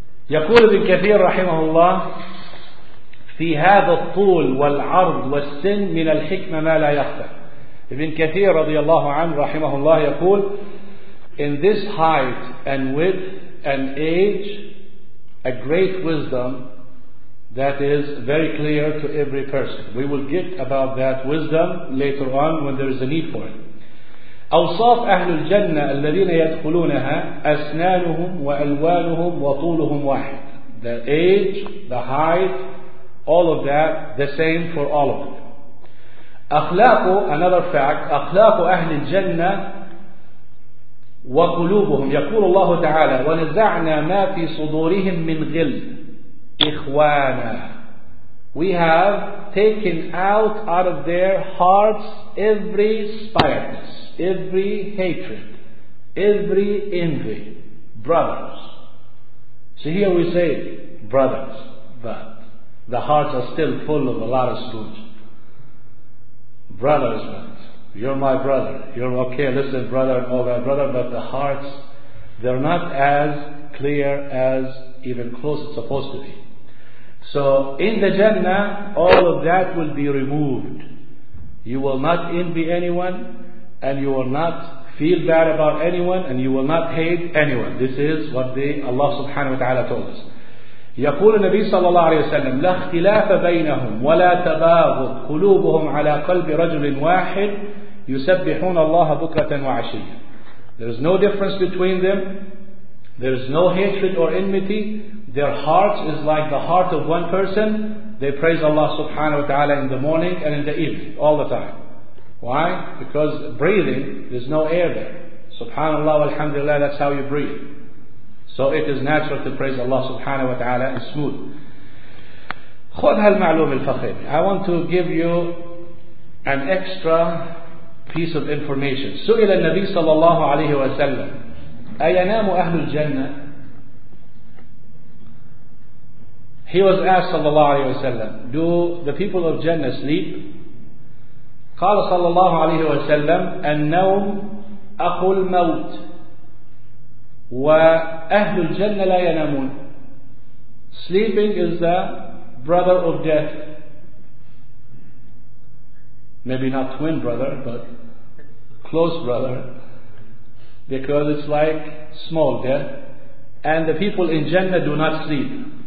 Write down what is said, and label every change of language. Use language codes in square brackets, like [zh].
[ar] يقول ابن كثير رحمه الله في هذا الطول والعرض والسن من الحكمة ما لا يخفى. ابن كثير رضي الله عنه رحمه الله يقول, [en] in this height and width and age, a great wisdom that is very clear to every person. We will get about that wisdom later on when there is a need for it. [ar] أوصاف أهل الجنة الذين يدخلونها أسنانهم وألوانهم وطولهم واحد. [en] The age, the height, all of that, the same for all of them. [ar] أخلاق, [en] another fact, [ar] أخلاق أهل الجنة وقلوبهم. يقول الله تعالى ونزعنا ما في صدورهم من غل إخوانا. [en] We have taken out of their hearts every spiteness, every hatred, every envy. Brothers. So here we say brothers, but the hearts are still full of a lot of spoons. Brothers, but you're my brother. You're okay, listen, brother, and all that, brother, but the hearts, they're not as clear as even close it's supposed to be. So in the Jannah, all of that will be removed. You will not envy anyone, and you will not feel bad about anyone, and you will not hate anyone. This is what the Allah subhanahu wa ta'ala told us. [ar] يقول النبي صلى الله عليه وسلم لا اختلاف بينهم ولا تباغض قلوبهم على قلب رجل واحد يسبحون الله بكرة وعشية. [en] There is no difference between them. There is no hatred or enmity. Their heart is like the heart of one person. They praise Allah subhanahu wa ta'ala in the morning and in the evening, all the time. Why? Because breathing, there's no air there. Subhanallah walhamdulillah, that's how you breathe. So it is natural to praise Allah subhanahu wa ta'ala and smooth. [ar] خذ هالمعلوم الفخيم. [en] I want to give you an extra piece of information. [ar] سُئِلَ النَّبِي صَلَى اللَّهُ عَلَيْهِ وَسَلَّمُ أَيَنَامُ أَهْلُ الْجَنَّةِ. [en] He was asked, صلى الله عليه وسلم, do the people of Jannah sleep? [ar] قال صلى الله عليه وسلم النوم أخو الموت وأهل الجنة لا ينامون. [en] Sleeping is the brother of death. Maybe not twin brother, but close brother, because it's like small death. And the people in Jannah do not sleep.